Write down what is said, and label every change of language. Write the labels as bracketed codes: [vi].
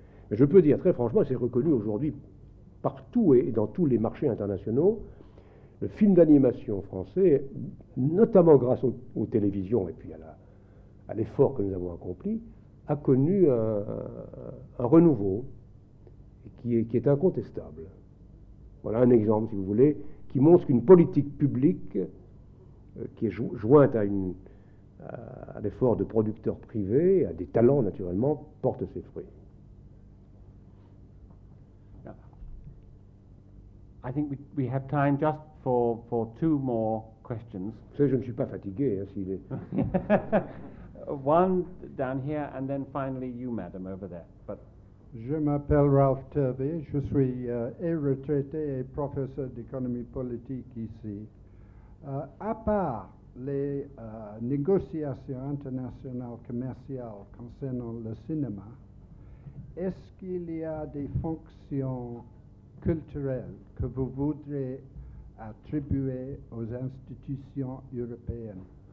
[fr] Mais je peux dire très franchement, c'est reconnu aujourd'hui partout et dans tous les marchés internationaux, le film d'animation français, notamment grâce aux télévisions et puis à l'effort que nous avons accompli, a connu un renouveau qui est incontestable. Voilà un exemple, si vous voulez, qui montre qu'une politique publique qui est jointe à l'effort de producteurs privés, à des talents naturellement, porte ses fruits. [en] I think we have time just for two more questions. [fr] Je ne suis pas fatigué, hein, s'il est... [en] One down here, and then finally you, madam, over there. But [fr] je m'appelle Ralph Turvey. Je suis et retraité et professeur d'économie politique ici. À part les négociations internationales commerciales concernant le cinéma, est-ce qu'il y a des fonctions culturelles que vous voudrez attribuer aux institutions européennes?